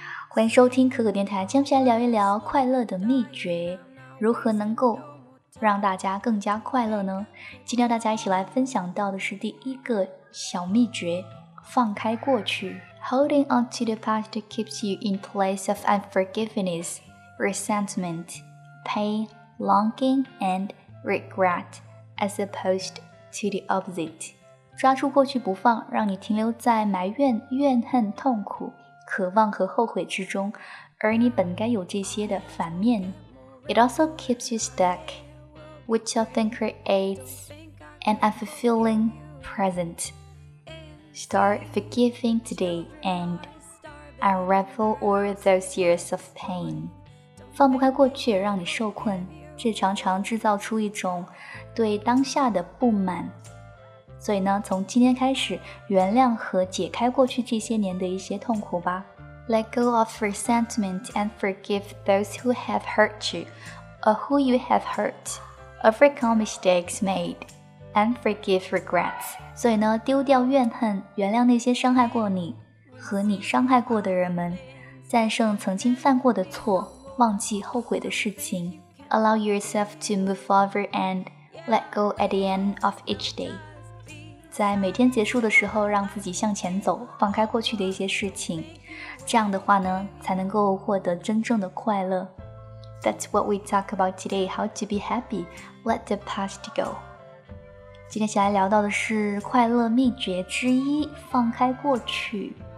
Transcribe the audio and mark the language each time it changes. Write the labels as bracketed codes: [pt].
[zh] 欢迎收听可可电台，接下来聊一聊快乐的秘诀，如何能够让大家更加快乐呢？今天大家一起来分享到的是第一个小秘诀，放开过去。 [en] Holding on to the past keeps you in place of unforgiveness, resentment, pain, longing, and regret, as opposed to the opposite. [zh] 抓住过去不放，让你停留在埋怨、怨恨、痛苦、渴望和后悔之中，而你本该有这些的反面。 [en] It also keeps you stuck, which often creates an unfulfilling present. Start forgiving today and unravel all those years of pain. [zh] 放不开过去让你受困，这常常制造出一种对当下的不满。所以呢，从今天开始，原谅和解开过去这些年的一些痛苦吧。 [en] Let go of resentment and forgive those who have hurt you or who you have hurt. Overcome mistakes made. And forgive regrets. [zh] 所以呢，丢掉怨恨，原谅那些伤害过你和你伤害过的人们，战胜曾经犯过的错，忘记后悔的事情。 [en] Allow yourself to move forward and let go at the end of each day. [zh] 在每天结束的时候，让自己向前走，放开过去的一些事情。这样的话呢，才能够获得真正的快乐。 [en] That's what we talk about today. How to be happy. Let the past go. [zh] 今天起来聊到的是快乐秘诀之一，放开过去。